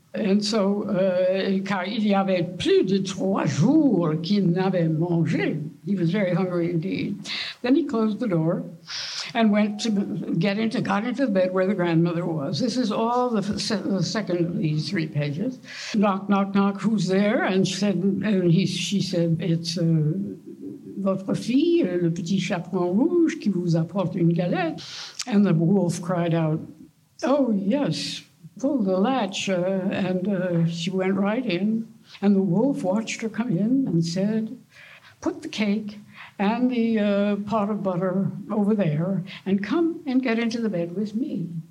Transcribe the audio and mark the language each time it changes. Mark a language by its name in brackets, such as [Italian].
[English] And so, [French] car il y avait plus de 3 jours qu'il n'avait mangé. [English] He was very hungry indeed. Then he closed the door and got into the bed where the grandmother was. This is all the second of these 3 pages. Knock, knock, knock, who's there? And she said, it's [French] votre fille, le petit chaperon rouge, qui vous apporte une galette. [English] And the wolf cried out, oh, yes, pull the latch. She went right in. And the wolf watched her come in and said, put the cake and the pot of butter over there and come and get into the bed with me.